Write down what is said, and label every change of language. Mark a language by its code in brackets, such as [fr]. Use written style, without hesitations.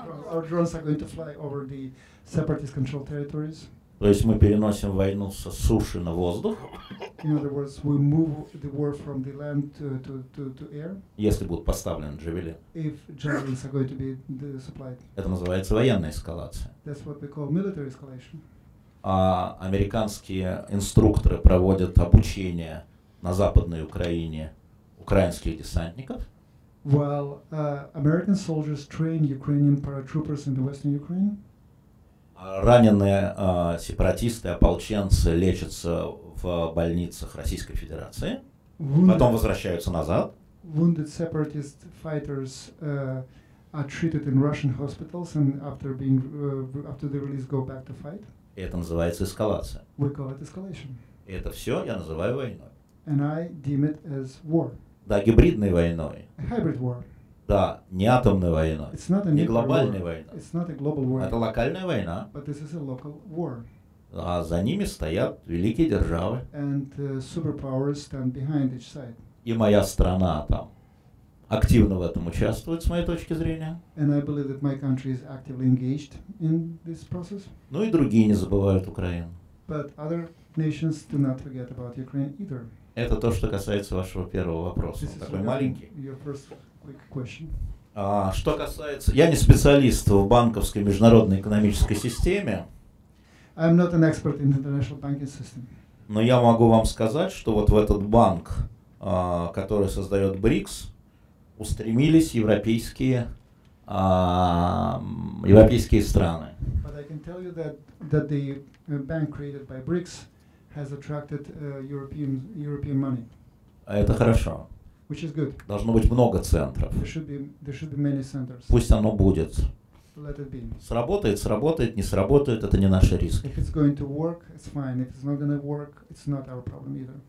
[en] Our drones are going to fly over the separatist controlled territories. [ru] То есть мы переносим войну со суши на воздух. [en] In other words, we move the war from the land to air. [ru] Если будут поставлены джавелины. [en] If javelins are going to be supplied. [ru] Это называется военная эскалация. [en] That's what we call military escalation. [ru] А американские инструкторы проводят обучение на Западной Украине украинских десантников. [en] While American soldiers train Ukrainian paratroopers in the Western Ukraine. [ru] Раненые сепаратисты, ополченцы лечатся в больницах Российской Федерации, потом возвращаются назад. [en] Wounded separatist fighters are treated in Russian hospitals and after the release go back to fight. [ru] Это называется эскалация. [en] We call it escalation. [ru] Это все я называю войной. [en] And I deem it as war. [ru] Да, гибридной войной. [en] A hybrid war. [ru] Да, не атомная война, [en] it's not a [ru] не глобальная война. [en] It's not a global war. [ru] Это локальная война. [en] But this is a local war. [ru] А за ними стоят великие державы. [en] And superpowers stand behind each side. [ru] И моя страна там активно в этом участвует, с моей точки зрения. [en] And I believe that my country is actively engaged in this process. [ru] Ну и другие не забывают Украину. [en] But other nations do not forget about Ukraine either. [ru] Это то, что касается вашего первого вопроса. Он такой маленький. [en] Your first quick question. [ru] Что касается... Я не специалист в банковской международной экономической системе. [en] I'm not an expert in the international banking system. [ru] Но я могу вам сказать, что вот в этот банк, который создает БРИКС, устремились европейские страны. [en] But I can tell you that the bank created by BRICS has attracted European money. [ru] Это хорошо. [en] Which is good. [ru] Должно быть много центров. [en] There should be many centers. [ru] Пусть оно будет. [en] Let it be. [ru] Сработает, не сработает, это не наши риски. [en] If it's going to work, it's fine. If it's not going to work, it's not our problem either.